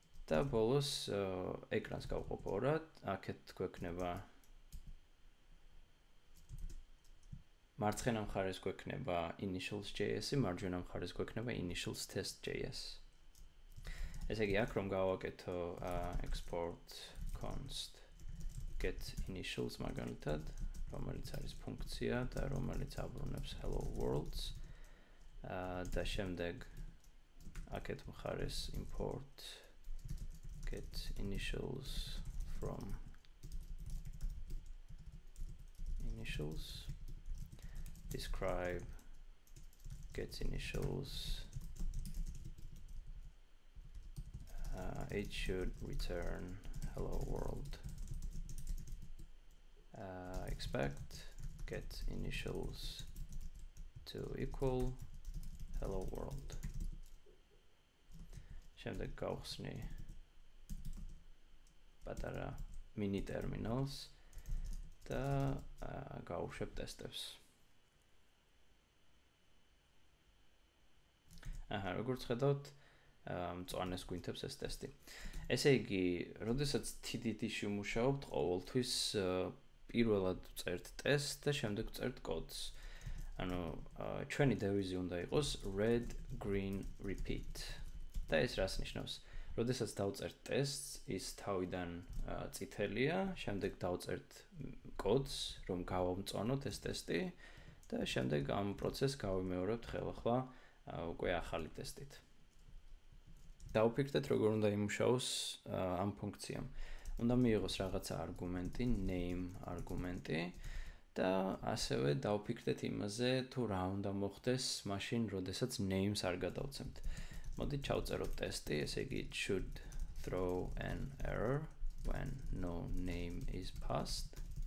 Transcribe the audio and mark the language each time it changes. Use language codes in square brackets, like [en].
[ka] და ბოლოს ეკრანს გავყოფ ორად, აქეთ გვექნება მარცხენა მხარეს გვექნება initials.js-ი, მარჯვენა მხარეს გვექნება initials test.js. ესე იგი, აქ რომ გავაკეთო export const get initials მაგალითად, რომელიც არის ფუნქცია და რომელიც აბრუნებს hello world, და შემდეგ აქეთ მხარეს import get initials from initials describe get initials [en] it should return hello world expect get initials to equal hello world [ka] შემდეგ გავხსნი პატარა mini terminals და გავუშვებ ტესტებს. აჰა, როგორც ხედავთ, მწვანეს გვინთებს ეს ტესტი. ესე იგი, როდესაც TDD-ში ვმუშაობთ, ყოველთვის პირველად წერთ ტესტს და შემდეგ წერთ კოდს. ანუ ჩვენი დევიზი უნდა იყოს [en] red green repeat. [ka] და ეს რას ნიშნავს? როდესაც დავწერთ ტესტს, ის თავიდან წითელია, შემდეგ დავწერთ კოდს, რომ გავამწვანოთ ეს ტესტი და შემდეგ ამ პროცესს გავიმეორებთ ხელახლა უკვე ახალი ტესტით. დაუფიქრდეთ, როგორ უნდა იმუშაოს ამ ფუნქციამ. უნდა მიიღოს რაღაცა არგუმენტი, name არგუმენტი და ასევე დაუფიქრდეთ იმაზე, თუ რა უნდა მოხდეს მაშინ, როდესაც names არ გადავცემთ. Моди чауцеро тесты, эсеги [en] should throw an error when no name is passed.